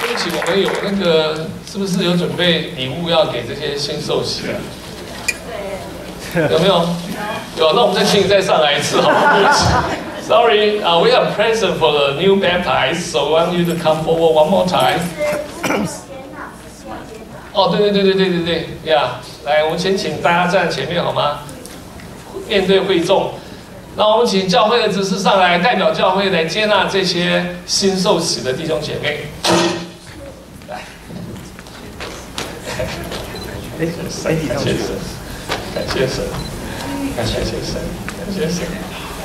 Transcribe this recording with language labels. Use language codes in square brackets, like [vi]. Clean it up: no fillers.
[zh] 我们有那个，是不是有准备礼物要给这些新受洗的？对。有没有？有。有，那我们再请你再上来一次好吗？ [en] Sorry, we are present for the new baptized, so I want you to come forward one more time. [zh] 哦，对对对对对对对，呀，来，我们先请大家站在前面好吗？面对会众，那我们请教会的执事上来，代表教会来接纳这些新受洗的弟兄姐妹。来，感谢神，感谢神，感谢神，感谢神。